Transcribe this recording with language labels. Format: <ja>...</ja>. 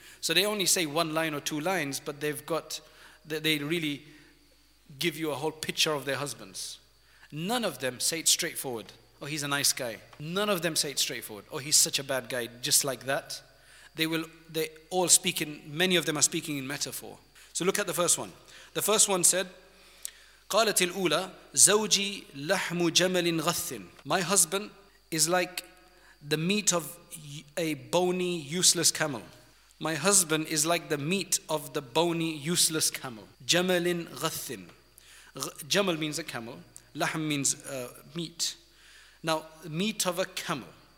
<en>So they only say one line or two lines, but they've got, they really give you a whole picture of their husbands. None of them say it straightforward. Oh, he's a nice guy. None of them say it straightforward. Oh, he's such a bad guy, just like that. Many of them are speaking in metaphor. So look at the first one. The first one said,</en> <ar>قَالَتِ الْأُولَى زَوْجِي لَحْمُ جَمَلٍ غَثٍ.</ar> <en>My husband is like the meat of a bony, useless camel. My husband is like the meat of the bony, useless camel. Jamalin ghathin. Jamal means a camel. Lahm means meat. Now, meat of a camel.</en>